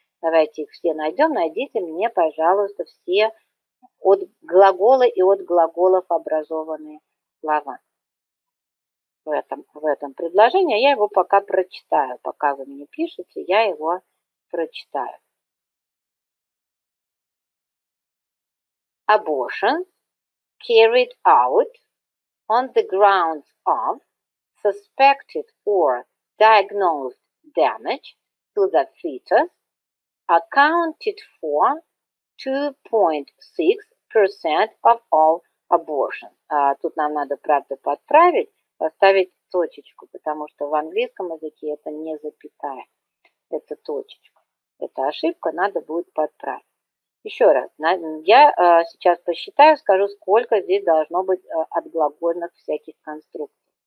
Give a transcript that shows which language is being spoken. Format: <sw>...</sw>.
<ru>Давайте их все найдем. Найдите мне, пожалуйста, все от глагола и от глаголов образованные слова. В этом предложении я его пока прочитаю. Пока вы мне пишете, я его прочитаю.</ru> <en>Abortion carried out on the grounds of suspected or diagnosed damage to the fetus accounted for 2.6% of all abortion.</en> <ru>А тут нам надо, правда, подправить, поставить точечку, потому что в английском языке это не запятая, это точечка. Это ошибка, надо будет подправить. Еще раз, я сейчас посчитаю, скажу, сколько здесь должно быть от глагольных всяких конструкций.</ru>